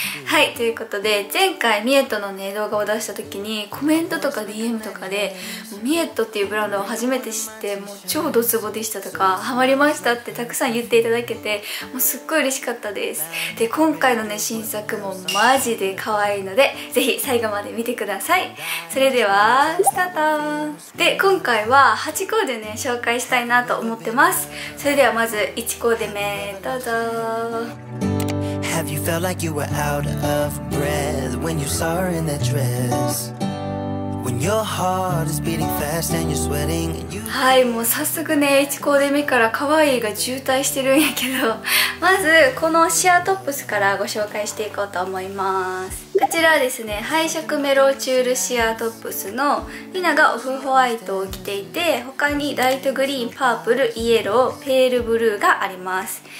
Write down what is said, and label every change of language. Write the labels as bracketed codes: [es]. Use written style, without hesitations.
[ja] はい、ということで、前回ミエットのね動画を出した時にコメントとか DM とかで、ミエットっていうブランドを初めて知ってもう超ドツボでしたとか、ハマりましたってたくさん言っていただけて、もうすっごい嬉しかったです。で、今回のね新作もマジで可愛いので、ぜひ最後まで見てください。それではスタート。で、今回は8コーデね紹介したいなと思ってます。それではまず1コーデ目どうぞ。 [en] Have you felt like you were out of breath when you saw her in that dress? When your heart is beating fast and you're sweating, you... [ja] はい、もう早速ね1コーデ目から可愛いが渋滞してるんやけど、まずこのシアートップスからご紹介していこうと思います。こちらはですね、配色メロチュールシアートップスのリナがオフホワイトを着ていて、他にライトグリーン、パープル、イエロー、ペールブルーがあります。